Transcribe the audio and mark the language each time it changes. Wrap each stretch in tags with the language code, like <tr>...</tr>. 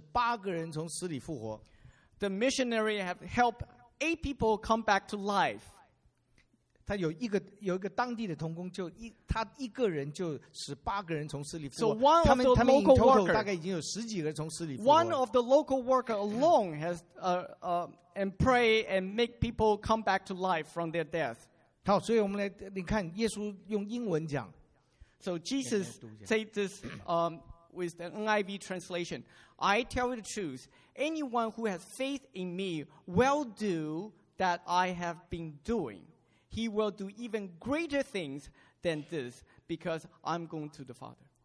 <zh>那边的宣教士跟他们同工，就有一个同工的，结果他在这几年中间一共18个人从死里复活。The</zh> <en>missionary have helped 8 people come back to life.</en> <zh>他有一个当地的同工，就一个人就18个人从死里复活。他们一共大概已经有十几个人从死里复活。</zh> <en>One of the local worker alone has and pray and make people come back to life from their death.</en> <zh>好,所以我们来,你看,耶稣用英文讲,</zh> <en>so Jesus said this with the NIV translation. I tell you the truth, anyone who has faith in me will do that I have been doing. He will do even greater things than this because I'm going to the Father.</en>